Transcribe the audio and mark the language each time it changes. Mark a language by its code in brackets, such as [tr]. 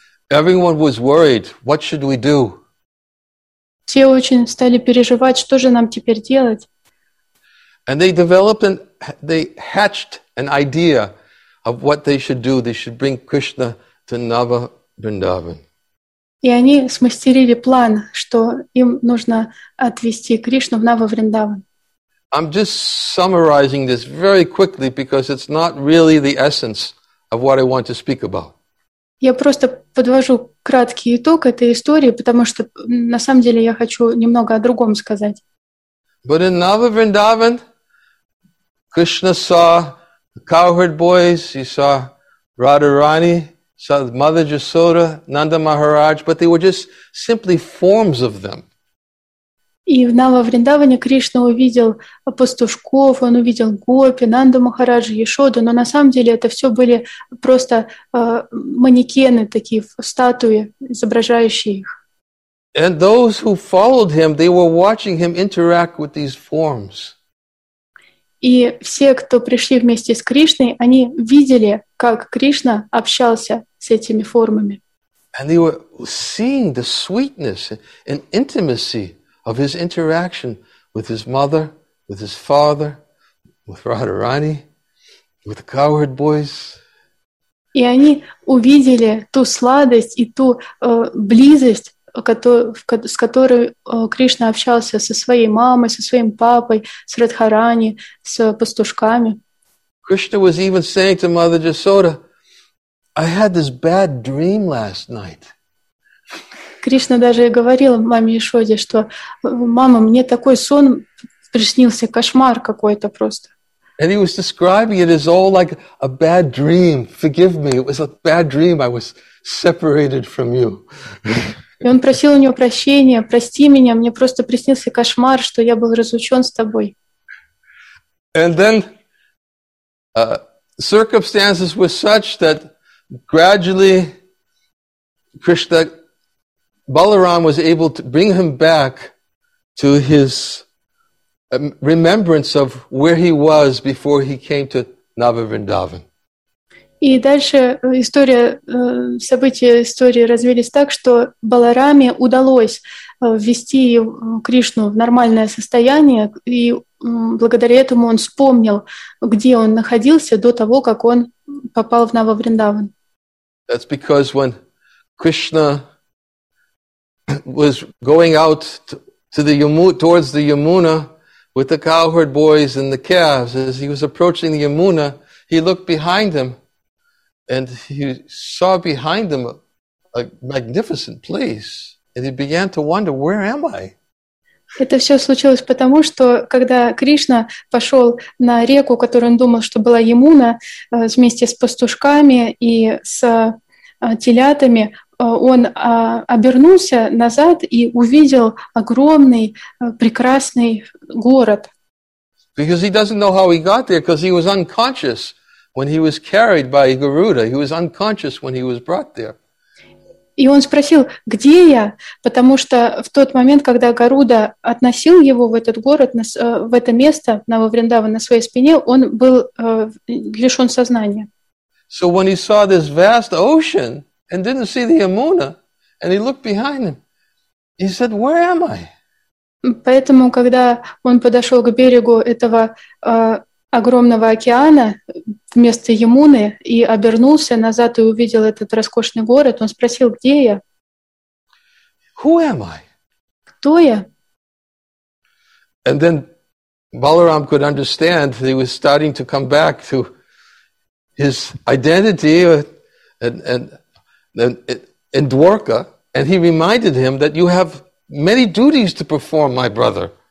[en] Everyone was worried, what should we do? [ru] Все очень стали переживать, что же нам теперь делать? [en] And they developed and they hatched an idea of what they should do. They should bring Krishna to Nava Vrindavan. [ru] И они смастерили план, что им нужно отвезти Кришну в Нава Вриндаван. [en] I'm just summarizing this very quickly because it's not really the essence of what I want to speak about. [ru] Я просто подвожу краткий итог этой истории, потому что на самом деле я хочу немного о другом сказать. [en] But in Nava Vrindavan, Krishna saw the cowherd boys, he saw Radharani, saw Mother Yasoda, Nanda Maharaj, but they were just simply forms of them. [ru] И в Нава Вриндаване Кришна увидел пастушков, он увидел Гопи, Нанду Махараджа, Яшоду, но на самом деле это все были просто манекены, такие статуи, изображающие их. [en] And those who followed him, they were watching him interact with these forms. [ru] И все, кто пришли вместе с Кришной, они видели, как Кришна общался с этими формами. [en] And they were seeing the sweetness and intimacy of his interaction with his mother, with his father, with Radharani, with the cowherd boys. [ru] И они увидели ту сладость и ту близость, с которой Кришна общался со своей мамой, со своим папой, с Радхарани, с пастушками. [en] Krishna was even saying to Mother Jasoda, I had this bad dream last night. [ru] Кришна даже говорил маме Ишоде, что мама, мне такой сон приснился, кошмар какой-то просто. [en] And he was describing it as all like a bad dream. Forgive me, it was a bad dream. I was separated from you. [ru] И он просил у него прощения, прости меня, мне просто приснился кошмар, что я был разлучен с тобой. [en] And then circumstances were such that gradually Krishna Balaram was able to bring him back to his remembrance of where he was before he came to Navavrindavan. [ru] И дальше история, события истории развились так, что Балараме удалось ввести Кришну в нормальное состояние, и благодаря этому он вспомнил, где он находился до того, как он попал в Нававриндаван. [en] That's because when Krishna was going out to the towards the Yamuna with the cowherd boys and the calves, as he was approaching the Yamuna, he looked behind him. And he saw behind him a magnificent place, and he began to wonder, where am I? [ru] Это все случилось потому, что когда Кришна пошел на реку, которую он думал, что была Ямуна, вместе с пастушками и с телятами, он обернулся назад и увидел огромный прекрасный город. [en] Because he doesn't know how he got there, because he was unconscious. When he was carried by Garuda, he was unconscious when he was brought there. [ru] И он спросил, где я? Потому что в тот момент, когда Гаруда относил его в этот город, в это место, на Вавриндаван, на своей спине, он был лишён сознания. [en] So when he saw this vast ocean and didn't see the Yamuna, and he looked behind him, he said, where am I? [ru] Поэтому, когда он подошёл к берегу этого огромного океана вместо Ямуны и обернулся назад и увидел этот роскошный город, он спросил, где я? [en] Who am I? [ru] Кто я? [en] And then Balaram could understand that he was starting to come back to his identity and Dwarka, and he reminded him that you have many duties to perform, my brother.